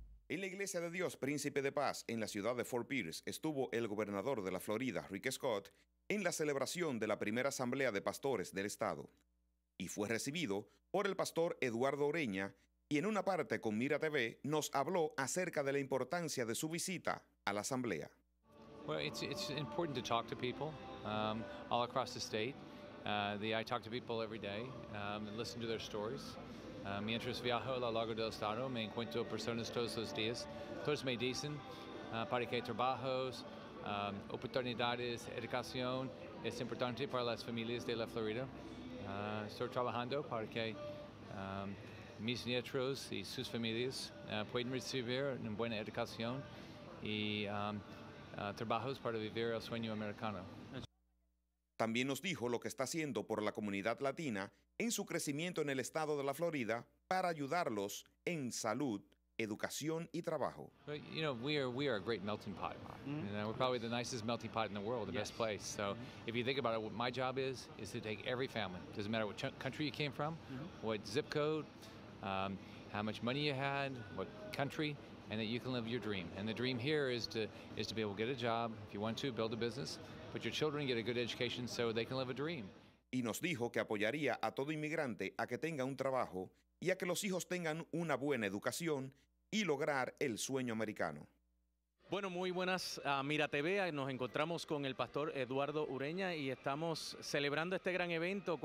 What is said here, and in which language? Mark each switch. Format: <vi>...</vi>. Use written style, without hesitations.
<es>En la Iglesia de Dios Príncipe de Paz, en la ciudad de Fort Pierce, estuvo el gobernador de la Florida, Rick Scott, en la celebración de la primera Asamblea de Pastores del Estado. Y fue recibido por el pastor Eduardo Ureña, y en una parte con Mira TV nos habló acerca de la importancia de su visita a la asamblea.</es> <en>Well, it's important to talk to people all across the state. I talk to people every day and listen to their stories.</en> <es>Mientras viajo a lo largo del estado, me encuentro personas todos los días. Todos me dicen para que trabajos, oportunidades, educación es importante para las familias de la Florida. Estoy trabajando para que mis nietos y sus familias pueden recibir una buena educación y trabajos para vivir el sueño americano. También nos dijo lo que está haciendo por la comunidad latina en su crecimiento en el estado de la Florida para ayudarlos en salud, educación y trabajo.</es> <en>But, you know, we are a great melting pot. Mm-hmm. You know, we're probably the nicest melting pot in the world, the best place. So mm-hmm. if you think about it, what my job is to take every family. Doesn't matter what country you came from, mm-hmm. what zip code, how much money you had, what country, and that you can live your dream. And the dream here is to be able to get a job, if you want to, build a business, but your children get a good education so they can live a dream.</en> <es>Y nos dijo que apoyaría a todo inmigrante a que tenga un trabajo y a que los hijos tengan una buena educación y lograr el sueño americano. Bueno, muy buenas a Mira TV. Nos encontramos con el pastor Eduardo Ureña y estamos celebrando este gran evento.</es>